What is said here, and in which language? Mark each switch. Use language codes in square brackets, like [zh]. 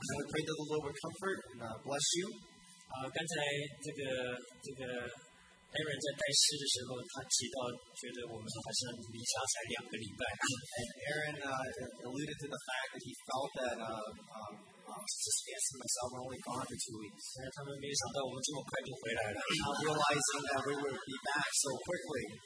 [en] We pray that the Lord would comfort and bless you. [zh] 刚才这个 Aaron 在带诗的时候，他提到觉得我们好像离家才两个礼拜。 [en] Aaron alluded to the fact that he felt that. Myself, we're only gone for 2 weeks. Realizing that we would be back so quickly.